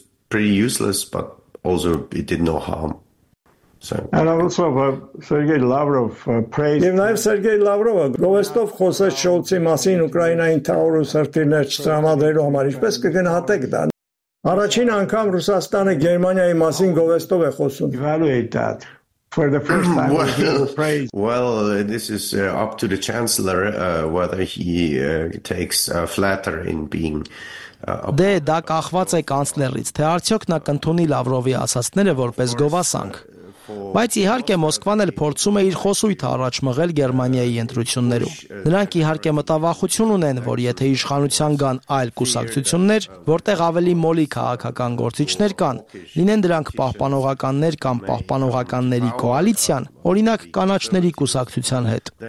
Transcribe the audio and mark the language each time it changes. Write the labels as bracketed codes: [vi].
[en] Pretty useless, but also it did no harm. Sergey Lavrov praised [hy] Գովեստով խոսեց Շոլցի մասին Ուկրաինային Taurus հրթիռներ չտրամադրելու համար, ինչպես կգնահատեք դա։ Առաջին անգամ Ռուսաստանը Գերմանիայի մասին Գովեստով է խոսում։ [en] Evaluate that. For the first time, well, this is up to the chancellor whether he takes flatter in being. [hy] Դե դա կախված է կանցլերից, թե արդյոք նա կընդունի Լավրովի ասացները որպես գովասանք։ Բայց իհարկե Մոսկվան էլ փորձում է իր խոսույթը առաջ մղել Գերմանիայի ընտրություններում։ Նրանք իհարկե մտավախություն ունեն, որ եթե իշխանության կան այլ կուսակցություններ, որտեղ ավելի մոլի քաղաքական գործիչներ կան, լինեն դրանք պահպանողականներ կամ պահպանողականների կոալիցիան, օրինակ կանաչների կուսակցության հետ,